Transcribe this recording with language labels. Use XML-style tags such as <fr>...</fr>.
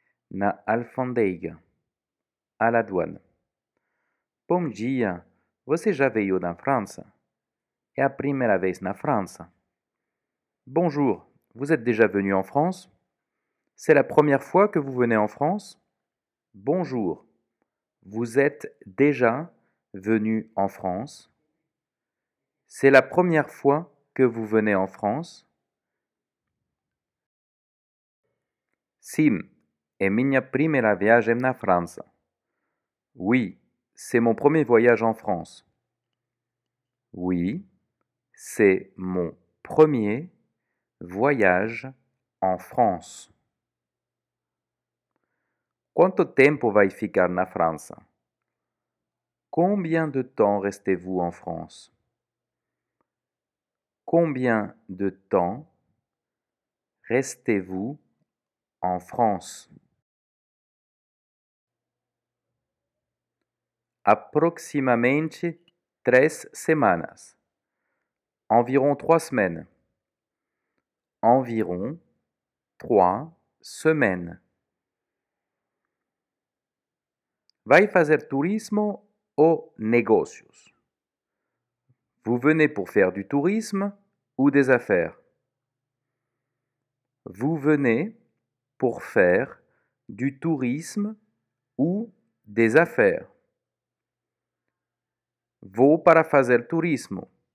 <pt>Na alfandega,</pt> <fr>à la douane.</fr> <pt>Bom dia, você já veio da França? É a primeira vez na França.</pt> <fr>Bonjour, vous êtes déjà venu en France? C'est la première fois que vous venez en France? Bonjour, vous êtes déjà venu en France? C'est la première fois que vous venez en France?</fr> <pt>Sim, é minha primeira viagem na França.</pt> <fr>Oui, c'est mon premier voyage en France. Oui, c'est mon premier voyage en France.</fr> <pt>Quanto tempo vai ficar na França?</pt> <fr>Combien de temps restez-vous en France? Combien de temps restez-vous en France?</fr> <pt>Approximamente 3 semanas.</pt> <fr>Environ 3 semaines. Environ 3 semaines.</fr> <pt>Vai fazer turismo ou negócios?</pt> <fr>Vous venez pour faire du tourisme ou des affaires? Vous venez pour faire du tourisme ou des affaires?</fr> <pt>Vou para fazer turismo.</pt>